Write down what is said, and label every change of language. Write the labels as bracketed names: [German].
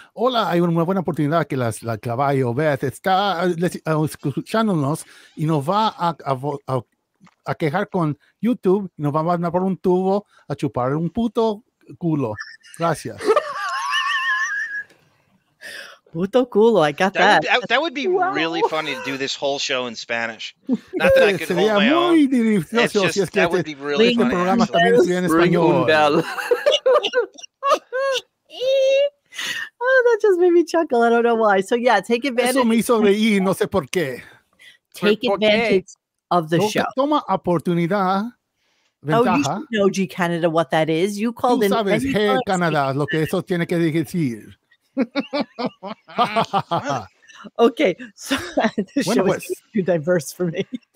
[Spanish] Hola, hay una buena oportunidad que la caballo Beth está escuchándonos y nos va a quejar con YouTube y nos va a mandar por un tubo a chupar un puto culo. Gracias. Puto culo, [English] I got that. That would be really funny to do this whole show in Spanish. Not that I could hold my own. That would be really funny. Oh, that just made me chuckle. I don't know why. So yeah, take advantage. [Spanish] Eso me hizo reír, no sé por qué. [English] Take advantage of the show. [Spanish] Toma oportunidad. Ventaja. [English] Oh, you should know, G Canada, what that is. You called in. [Spanish] Tú sabes, hey, Canada, lo que eso tiene que decir. [English] Okay, so this show is too diverse for me.